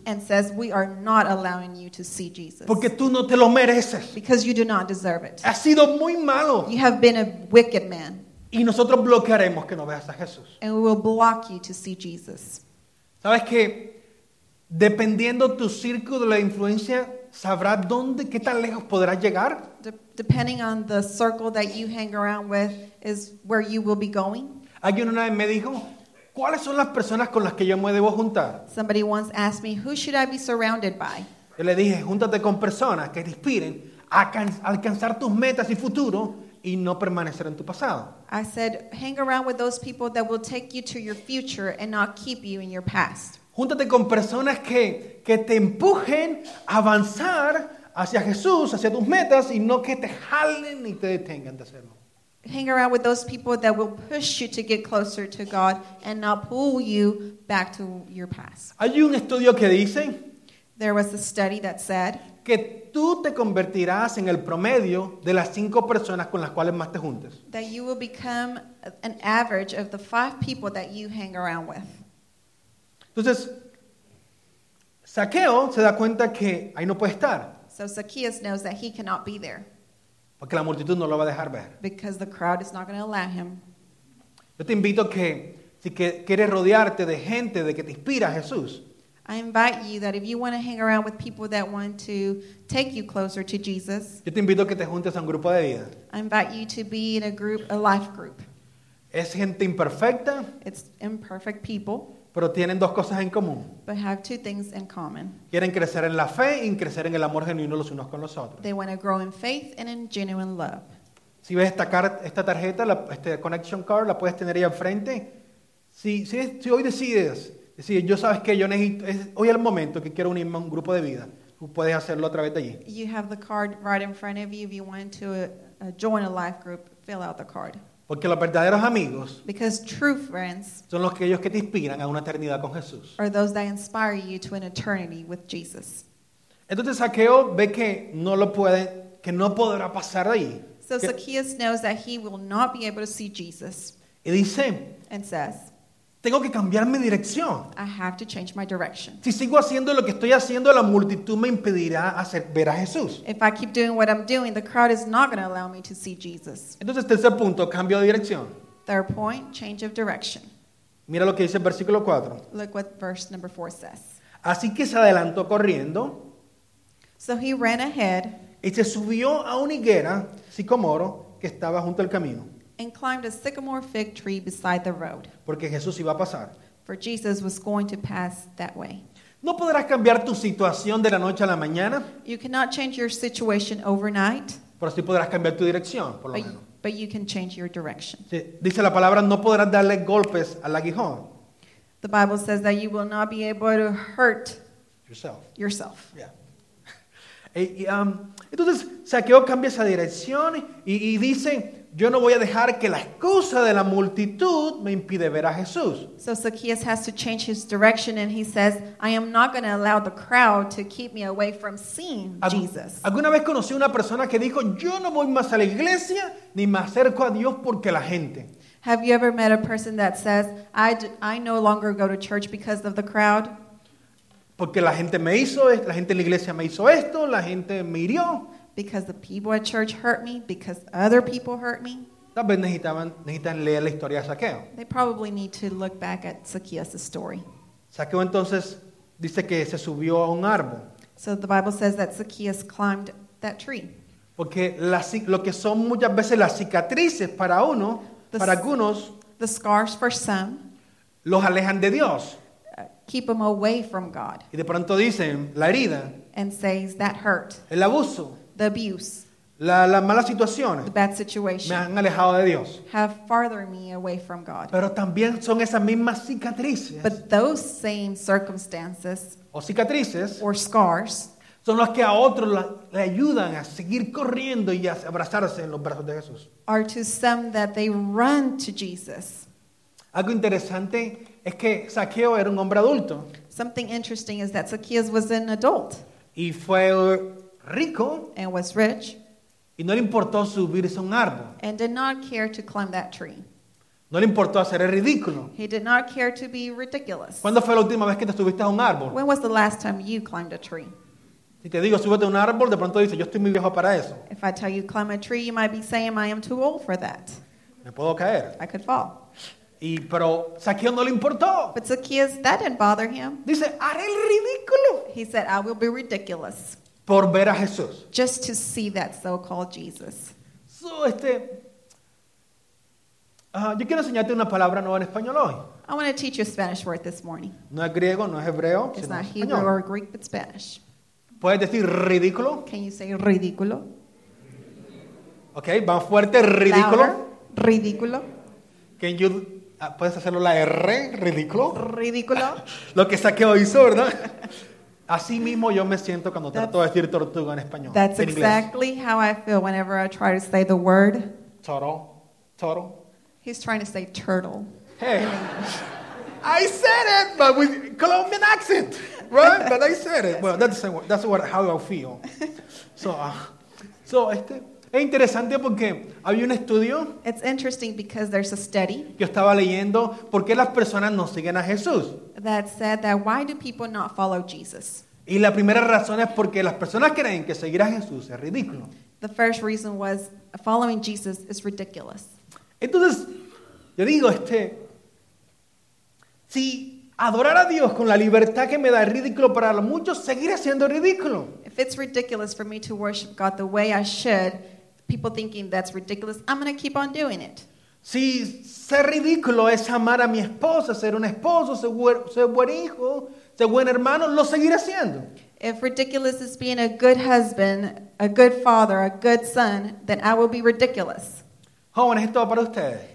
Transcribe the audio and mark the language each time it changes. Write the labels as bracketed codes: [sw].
[en] And says, we are not allowing you to see Jesus. [es] Porque tú no te lo mereces. [en] Because you do not deserve it. [es] Has sido muy malo. [en] You have been a wicked man. [es] Y nosotros bloquearemos que no veas a Jesús. [en] And we will block you to see Jesus. [es] ¿Sabes qué? Dependiendo tu círculo de la influencia, sabrás dónde, qué tan lejos podrás llegar. [en] Depending on the circle that you hang around with is where you will be going. [es] Alguien una vez me dijo, ¿cuáles son las personas con las que yo me debo juntar? [en] Somebody once asked me, who should I be surrounded by? [es] Yo le dije, júntate con personas que te inspiren a alcanzar tus metas y futuro y no permanecer en tu pasado. [en] I said, hang around with those people that will take you to your future and not keep you in your past. [es] Júntate con personas que te empujen a avanzar hacia Jesús, hacia tus metas, y no que te jalen ni te detengan de hacerlo. [en] Hang around with those people that will push you to get closer to God and not pull you back to your past. [es] Hay un estudio que dice, [en] there was a study that said, [es] que tú te convertirás en el promedio de las 5 personas con las cuales más te juntes. [en] That you will become an average of the 5 people that you hang around with. [es] Entonces, Zaqueo se da cuenta que ahí no puede estar. [en] So Zacchaeus knows that he cannot be there. [es] Porque la multitud no lo va a dejar ver. [en] Because the crowd is not going to allow him. [es] Yo te invito que, si quieres rodearte de gente de que te inspira Jesús. [en] I invite you that if you want to hang around with people that want to take you closer to Jesus. [es] Yo te invito que te juntes a un grupo de vida. [en] I invite you to be in a group, a life group. [es] Es gente imperfecta. [en] It's imperfect people. [es] Pero tienen dos cosas en común. [en] But have two things in common. [es] Quieren crecer en la fe y crecer en el amor genuino los unos con los otros. [en] They want to grow in faith and in genuine love. [es] Si ves esta tarjeta, este connection card, la puedes tener ahí al frente. Si hoy decides, yo sabes que yo necesito, es hoy el momento que quiero unirme a un grupo de vida. Tú puedes hacerlo a través de allí. [en] You have the card right in front of you. If you want to join a life group, fill out the card. [es] Porque los verdaderos amigos son los aquellos que te inspiran a una eternidad con Jesús. [en] Are those that inspire you to an eternity with Jesus. [es] Entonces Zaqueo ve que no lo puede, que no podrá pasar de ahí. [en] So Zacchaeus knows that he will not be able to see Jesus. [es] Y dice, [en] and says, [es] tengo que cambiar mi dirección. [en] I have to change my direction. [es] Si sigo haciendo lo que estoy haciendo, la multitud me impedirá ver a Jesús. [en] If I keep doing what I'm doing, the crowd is not going to allow me to see Jesus. [es] Entonces, tercer punto, cambio de dirección. [en] Third point, change of direction. [es] Mira lo que dice el versículo 4. [en] Look what verse number 4 says. [es] Así que se adelantó corriendo. [en] So he ran ahead. [es] Y se subió a una higuera, sicomoro, que estaba junto al camino. [en] And climbed a sycamore fig tree beside the road. [es] Porque Jesús iba a pasar. [en] For Jesus was going to pass that way. [es] ¿No podrás cambiar tu situación de la noche a la mañana? [en] You cannot change your situation overnight. [es] Pero sí podrás cambiar tu dirección, por lo menos. [en] But you can change your direction. [es] Sí. Dice la palabra, no podrás darle golpes al aguijón. [en] The Bible says that you will not be able to hurt yourself. Yeah. [es] Entonces, Zaqueo cambia esa dirección y dice, yo no voy a dejar que la excusa de la multitud me impide ver a Jesús. [en] So Zacchaeus has to change his direction and he says, I am not going to allow the crowd to keep me away from seeing Jesus. [es] ¿Alguna vez conocí una persona que dijo, yo no voy más a la iglesia ni me acerco a Dios porque la gente? [en] Have you ever met a person that says, I no longer go to church because of the crowd? [es] Porque la gente me hizo, la gente en la iglesia me hizo esto, la gente me hirió. [en] Because the people at church hurt me, because other people hurt me. [es] Tal vez necesitan leer la historia de Zaqueo. [en] They probably need to look back at Zacchaeus' story. [es] Zaqueo entonces dice que se subió a un árbol. [en] So the Bible says that Zacchaeus climbed that tree. [es] Porque lo que son muchas veces las cicatrices para uno, para algunos, [en] the scars for some, [es] los alejan de Dios. [en] Keep them away from God. [es] Y de pronto dicen, la herida. [en] And says that hurt. [es] El abuso. [en] The abuse. [es] La mala situación. [en] The bad situation. [es] Me han alejado de Dios. [en] Have farther me away from God. [es] Pero también son esas mismas cicatrices. [en] But those same circumstances. [es] O cicatrices. [en] Or scars. [es] Son las que a otros le ayudan a seguir corriendo y a abrazarse en los brazos de Jesús. [en] Are to some that they run to Jesus. [es] Algo interesante es que Zaqueo era un hombre adulto. [en] Something interesting is that Zacchaeus was an adult. [es] Y fue rico. [en] And was rich. [es] Y no le importó subirse a un árbol. [en] And did not care to climb that tree. [es] No le importó hacer el ridículo. [en] He did not care to be ridiculous. [es] ¿Cuándo fue la última vez que te subiste a un árbol? [en] When was the last time you climbed a tree? [es] Si te digo, súbete a un árbol, de pronto dices, yo estoy muy viejo para eso. [en] If I tell you climb a tree, you might be saying, I am too old for that. [es] Me puedo caer. [en] I could fall. [es] Y, pero Zaqueo no le importó. [en] But Zacchaeus, that didn't bother him. [es] Dice, haré el ridículo. [en] He said, I will be ridiculous. [es] Por ver a Jesús. [en] Just to see that so-called Jesus. [es] So, yo quiero enseñarte una palabra nueva en español hoy. [en] I want to teach you a Spanish word this morning. [es] No es griego, no es hebreo. It's not Hebrew español. [en] Or Greek, but Spanish. [es] ¿Puedes decir ridículo? [en] Can you say ridículo? [es] Okay, más fuerte, ridículo. [en] Louder, ridículo. Can you, [es] ¿puedes hacerlo la R, ridículo? Ridículo. Lo que Zaqueo hizo, ¿verdad? Así mismo yo me siento cuando trato de decir tortuga en español. [en] That's exactly how I feel whenever I try to say the word. Turtle, turtle. He's trying to say turtle. Hey, I said it, but with Colombian accent, right? But I said it. Well, that's the same word. That's what how I feel. So, [es] es interesante porque había un estudio. [en] It's interesting because there's a study. [es] Yo estaba leyendo por qué las personas no siguen a Jesús. [en] That said that why do people not follow Jesus? [es] Y la primera razón es porque las personas creen que seguir a Jesús es ridículo. [en] The first reason was following Jesus is ridiculous. [es] Entonces, yo digo, si adorar a Dios con la libertad que me da es ridículo para los muchos, seguiré siendo ridículo. [en] If it's ridiculous for me to worship God the way I should, people thinking that's ridiculous, I'm going to keep on doing it. [es] Si ser ridículo es amar a mi esposa, ser un esposo, ser buen hijo, ser buen hermano, lo seguiré haciendo. [en] If ridiculous is being a good husband, a good father, a good son, then I will be ridiculous. [es] Jóvenes, esto va para ustedes.